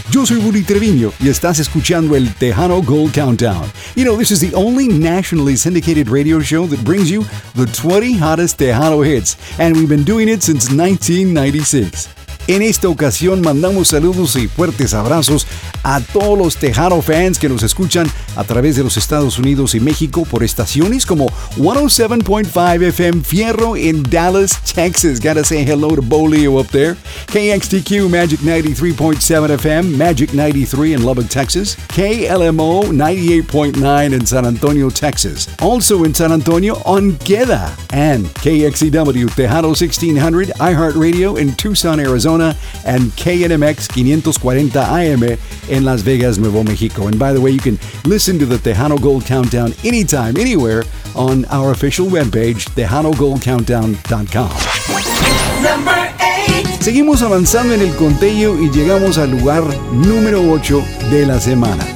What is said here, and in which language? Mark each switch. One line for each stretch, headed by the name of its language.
Spanish: Yo soy Rudy Treviño y estás escuchando el Tejano Gold Countdown.
English: You know, this is the only nationally syndicated radio show that brings you the 20 hottest Tejano hits, and we've been doing it since 1996.
Spanish: En esta ocasión mandamos saludos y fuertes abrazos a todos los Tejano fans que nos escuchan a través de los Estados Unidos y México por estaciones como 107.5 FM Fierro en Dallas, Texas.
English: Gotta say hello to Bolio up there. KXTQ Magic 93.7 FM, Magic 93 in Lubbock, Texas. KLMO 98.9 in San Antonio, Texas. Also in San Antonio, Onqueda. And KXEW Tejano 1600 iHeartRadio in Tucson, Arizona. And KNMX 540 AM in Las Vegas, Nuevo Mexico. And by the way, you can listen to the Tejano Gold Countdown anytime, anywhere on our official webpage, TejanoGoldCountdown.com. Number 8.
Spanish: Seguimos avanzando en el conteo y llegamos al lugar número 8 de la semana.